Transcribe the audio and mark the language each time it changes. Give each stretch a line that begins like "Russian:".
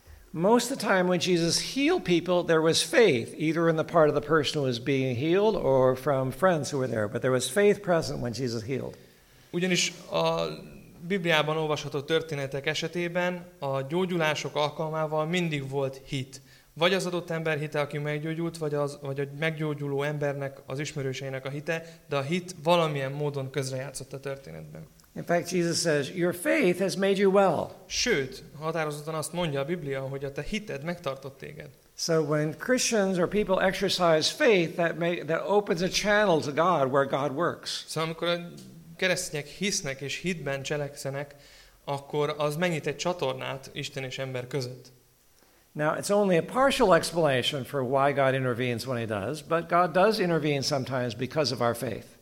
English: Most of the time when Jesus healed people, there was faith, either in the part of the person who was being healed or from friends who were there, but there was faith present when Jesus healed.
Hungarian: Ugyanis a Bibliában olvasható történetek esetében a gyógyulások alkalmával mindig volt hit. Vagy az adott ember hite, aki meggyógyult, vagy a meggyógyuló embernek, az ismerőseinek a hite, de a hit valamilyen módon közrejátszott a történetben.
English: In fact, Jesus says, your faith has made you well.
Hungarian: Sőt, határozottan azt mondja a Biblia, hogy a te hited megtartott téged.
English: So when Christians or people exercise faith, that opens a channel to God where God works.
Hungarian: Szóval, amikor a keresztények hisznek és hitben cselekszenek, akkor az megnyit egy csatornát Isten és ember között.
English: Now, it's only a partial explanation for why God intervenes when he does, but God does intervene sometimes because of our faith.